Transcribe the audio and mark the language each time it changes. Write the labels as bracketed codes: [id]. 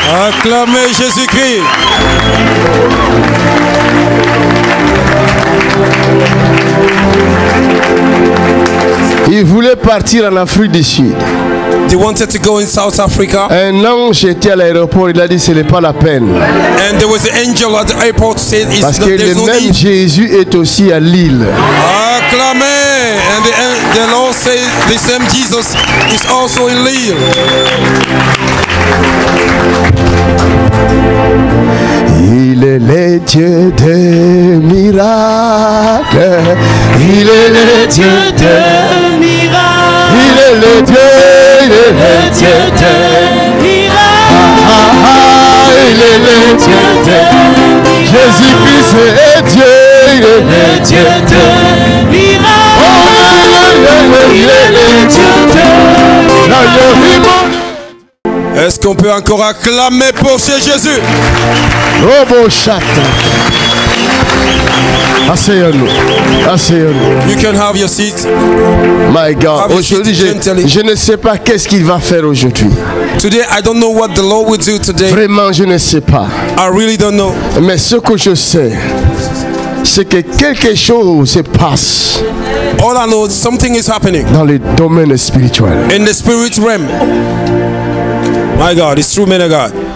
[fr] Acclamez Jésus-Christ. Il voulait partir en Afrique du Sud. [en] They wanted to go in South Africa. [fr] Un ange était à l'aéroport, il a dit ce n'est pas la peine. [en] And there was an angel at the airport said it's [fr] parce que le même Jésus est aussi à Lille. Acclamez. [en] And the Lord said the same Jesus is also in Lille. [fr] Il est le Dieu des miracles. Il est le Dieu des miracles. Il est le Dieu, il est le Dieu des miracles. Il est le Dieu des miracles. Jésus-Christ est Dieu. Il est le Dieu des miracles. Il est le Dieu des miracles. Est-ce qu'on peut encore acclamer pour ce Jésus? Oh bon chat. Asseyez-nous. Asseyez-nous. [en] You can have your seat. My God. [fr] Have aujourd'hui, je ne sais pas qu'est-ce qu'il va faire aujourd'hui. [en] Today, I don't know what the Lord will do today. [fr] Vraiment, je ne sais pas. [en] I really don't know. [fr] Mais ce que je sais, c'est que quelque chose se passe. [en] All I know, something is happening. [fr] Dans le domaine spirituel. [en] In the spirit realm. My God, it's true, man of God.